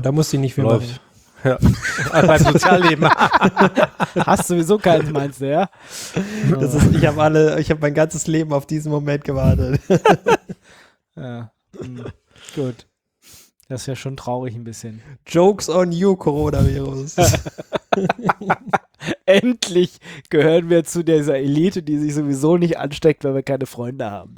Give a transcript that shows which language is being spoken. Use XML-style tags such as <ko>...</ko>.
<de>Da musst du nicht viel läuft. Ja, beim Sozialleben. Hast du sowieso keins, meinst du, ja? Das ist, ich hab mein ganzes Leben auf diesen Moment gewartet. Ja. Gut. Das ist ja schon traurig ein bisschen.</de> <en>Jokes on you, Coronavirus.</en> <de>Endlich gehören wir zu dieser Elite, die sich sowieso nicht ansteckt, weil wir keine Freunde haben.</de>